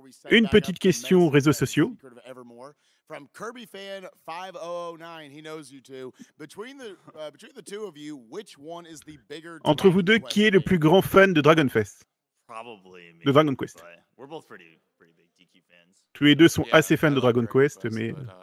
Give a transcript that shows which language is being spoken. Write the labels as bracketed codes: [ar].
[fr] Une petite question aux réseaux sociaux. [en] From Kirby fan 5009, he knows you two. Between the two of you, which one is the bigger? [fr] Entre vous deux, qui est le plus grand fan de Dragon Fest? [en] Probably me. [fr] De Dragon Quest. [en] We're both pretty big DQ fans. [fr] Tous les deux sont assez fans de Dragon Quest, mais.